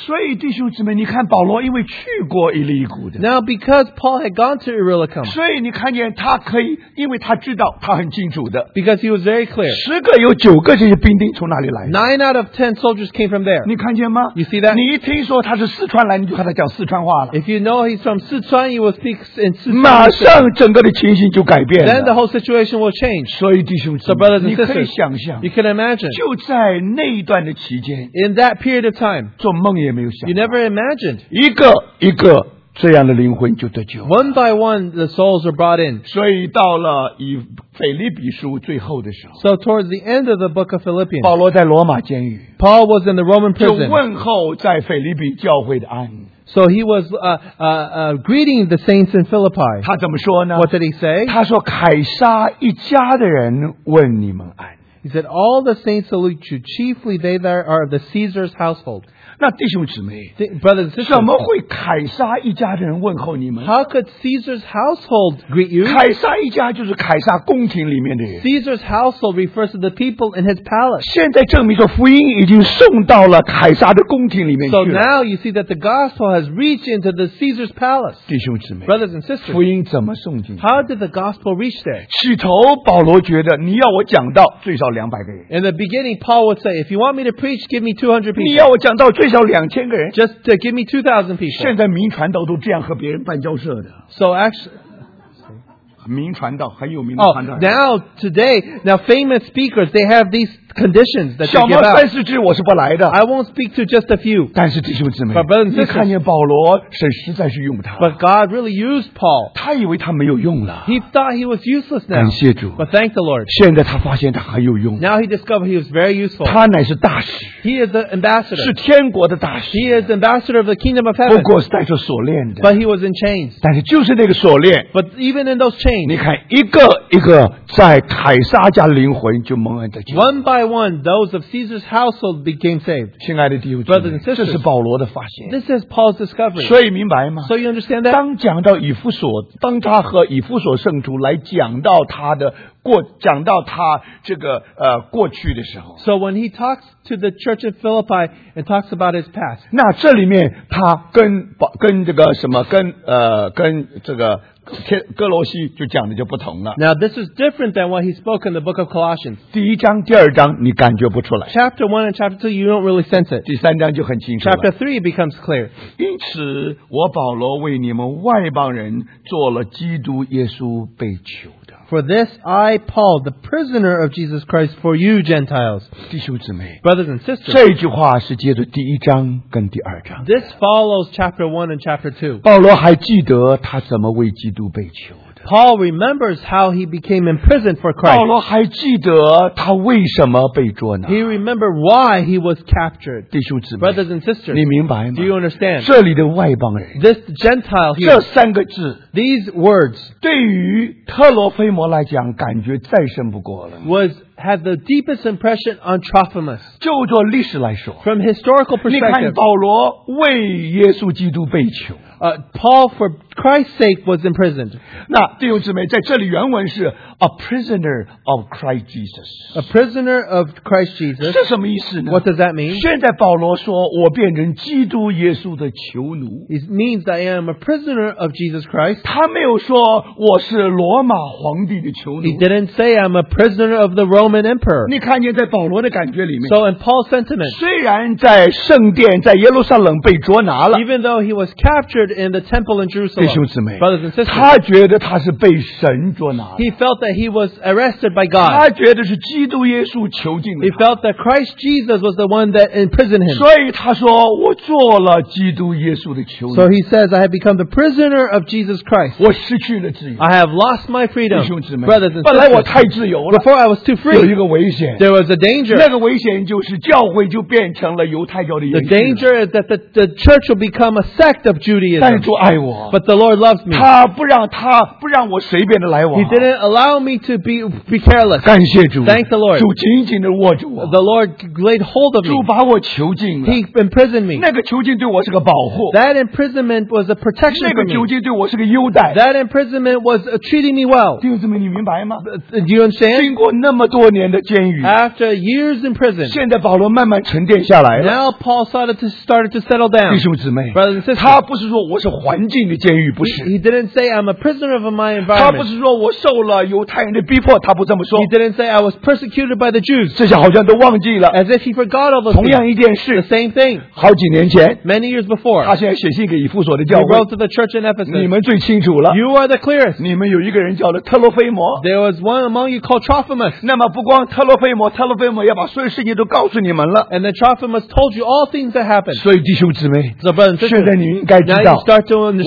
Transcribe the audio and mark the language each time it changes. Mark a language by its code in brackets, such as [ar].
[zh] 所以弟兄姊妹，你看保罗因为去过以利古的。 [en] Now because Paul had gone to Illyricum. [zh] 所以你看见他可以，因为他知道他很清楚的。 [en] Because he was very clear. [zh] 十个有九个这些兵丁从哪里来的 [en] ？9 out of 10 soldiers came from there. [zh] 你看见吗 [en] ？You see that? [zh] 你一听说他是四川来，你就和他讲四川话了。 [en] If you know he's from 四川， you will speak in 四川。 [zh] 马上整个的情形就改变了。 [en] Then the whole situation will change. [zh] 所以弟兄姊妹。你可以想象 [en] you can imagine, [zh] 就在那一段的期间 [en] in that period of time, [zh] 做梦也没有想到 [en] you never imagined, [zh] 一个一个这样的灵魂就得救。 [en] One by one, the souls are brought in. [zh] 所以到了以腓立比书最后的时候， [en] So towards the end of the book of Philippians, [zh] 保罗在罗马监狱， [en] Paul was in the Roman prison. [zh] 就问候在腓立比教会的安。 [en] So he was greeting the saints in Philippi. [zh] 他怎么说呢？ [en] What did he say? [zh] 他说凯撒一家的人问你们安。 [en] He said, all the saints salute you, chiefly they that are of the Caesar's household. [zh] 那弟兄姊妹， [en] brothers and sisters, [zh] 怎么会凯撒一家人问候你们？ [en] How could Caesar's household greet you? [zh] 凯撒一家就是凯撒宫廷里面的人。 [en] Caesar's household refers to the people in his palace. [zh] 现在证明说福音已经送到了凯撒的宫廷里面去了。 [en] So now you see that the gospel has reached into the Caesar's palace. [zh] 弟兄姊妹， [en] brothers and sisters, [zh] 福音怎么送进去？ [en] How did the gospel reach there? [zh] 起头保罗觉得你要我讲到最少200个人。 [en] In the beginning, Paul would say, if you want me to preach, give me 200 people. [zh] 你要我讲到最少2000个人。 [en] Just to give me 2000 people. [zh] 现在民传道都这样和别人办交涉的。 [en] So actually, [zh] 民传道，很有名的传道。 [en] Now, today, now famous speakers, they have these conditions that they give out. [zh] 小猫三四只我是不来的。 [en] I won't speak to just a few. [zh] 但是弟兄姊妹， [en] But brothers and sisters, [zh] 你看见保罗神实在是用他。 [en] But God really used Paul. [zh] 他以为他没有用了。 [en] He thought he was useless now. [zh] 感谢主。 [en] But thank the Lord. [zh] 现在他发现他很有用。 [en] Now he discovered he was very useful. [zh] 他乃是大使。 [en] He is the ambassador. [zh] 是天国的大使。 [en] He is the ambassador of the kingdom of heaven. [zh] 不过是带着锁链的。 [en] But he was in chains. [zh] 但是就是那个锁链。 [en] But even in those chains. [zh] 你看一个一个在凯撒家灵魂就蒙恩得救。 [en] One by one, those of Caesar's household became saved. [zh] 亲爱的弟兄姊妹， [en] brothers and sisters, [zh] 这是保罗的发现。 [en] This is Paul's discovery. [zh] 所以明白吗？ [en] So you understand that? [zh] 当讲到以弗所，当他和以弗所圣徒来讲到他的讲到他这个过去的时候， [en] So when he talks to the church at Philippi and talks about his past, [zh] 那这里面他跟这个什么跟这个哥罗西就讲的就不同了。 [en] Now this is different than what he spoke in the book of Colossians. [zh] 第一章第二章你感觉不出来。 [en] Chapter 1 and chapter 2 you don't really sense it. [zh] 第三章就很清楚了。 [en] Chapter 3 becomes clear. [zh] 因此我保罗为你们外邦人做了基督耶稣被囚。 [en] For this I, Paul, the prisoner of Jesus Christ, for you Gentiles. [zh] 弟兄姊妹， [en] brothers and sisters, [zh] 这句话是接着第一章跟第二章。 [en] This follows chapter 1 and chapter 2. [zh] 保罗还记得他怎么为基督被囚。 [en] Paul remembers how he became imprisoned for Christ. [zh] 保罗还记得他为什么被捉拿。 [en] He remembered why he was captured. [zh] 弟兄姊妹， [en] brothers and sisters, [zh] 你明白吗？ [en] Do you understand? [zh] 这里的外邦人， [en] this Gentile here, [zh] 这三个字， [en] these words, [zh] 对于特罗菲摩来讲，感觉再深不过了。 [en] Was had the deepest impression on Trophimus. [zh] 就做历史来说， [en] from historical perspective, [zh] 你看保罗为耶稣基督被囚。 [en] Paul, for Christ's sake, was imprisoned. [zh] 那弟兄姊妹，在这里原文是 [en] a prisoner of Christ Jesus. A prisoner of Christ Jesus. [zh] 是什么意思呢？ [en] What does that mean? [zh] 现在保罗说，我变成基督耶稣的囚奴。 [en] It means that I am a prisoner of Jesus Christ. [zh] 他没有说我是罗马皇帝的囚奴。 [en] He didn't say I'm a prisoner of the Roman Emperor. [zh] 你看见在保罗的感觉里面。 [en] So in Paul's sentiment, [zh] 虽然在圣殿在耶路撒冷被捉拿了。 [en] Even though he was captured in the temple in Jerusalem. [zh] 弟兄姊妹， [en] brothers and sisters, [zh] 他觉得他是被神捉拿。 [en] He felt that he was arrested by God. [zh] 他觉得是基督耶稣囚禁了他。 [en] He felt that Christ Jesus was the one that imprisoned him. [zh] 所以他说我做了基督耶稣的囚禁。 [en] So he says, I have become the prisoner of Jesus Christ. [zh] 我失去了自由。 [en] I have lost my freedom. [zh] 弟兄姊妹， [en] brothers and sisters, [zh] 本来我太自由了。 [en] Before I was too free. [zh] 有一个危险。 [en] There was a danger. [zh] 那个危险就是教会就变成了犹太教的延续。 [en] The danger is that the church will become a sect of Judaism. [zh] 但是主爱我， [en] but the Lord loves me. [zh] 他不让我随便的来往。 [en] He didn't allow me to be careless. [zh] 感谢主， [en] thank the Lord. [zh] 主紧紧的握住我。 [en] The Lord laid hold of me. [zh] 主把我囚禁了。 [en] He imprisoned me. [zh] 那个囚禁对我是个保护。 [en] That imprisonment was a protection for me. [zh] 那个囚禁对我是个优待。 [en] That imprisonment was treating me well. [zh] 弟兄姊妹，你明白吗？ [en] Do you understand? [zh] 经过那么多年的监狱， [en] after years in prison, [zh] 现在保罗慢慢沉淀下来了。 [en] Now Paul started to settle down. [zh] 弟兄姊妹， [en] brothers and sisters, [zh] 他不是说我是环境的监狱，不是。 [en] He didn't say I'm a prisoner of my environment. [zh] 他不是说我受了犹太人的逼迫，他不这么说。 [en] He didn't say I was persecuted by the Jews. [zh] 这些好像都忘记了。 [en] As if he forgot all the. [zh] 同样一件事。 [en] The same thing. [zh] 好几年前。 [en] Many years before. [zh] 他现在写信给以弗所的教会。 [en] He wrote to the church in Ephesus. [zh] 你们最清楚了。 [en] You are the clearest. [zh] 你们有一个人叫了特洛菲摩。 [en] There was one among you called Trophimus. [zh] 那么不光特洛菲摩，特洛菲摩也把所有事情都告诉你们了。 [en] And the Trophimus told you all things that happened. [zh] 所以弟兄姊妹，所以弟兄姊妹，现在你应该知道。 [en] Now you start to understand.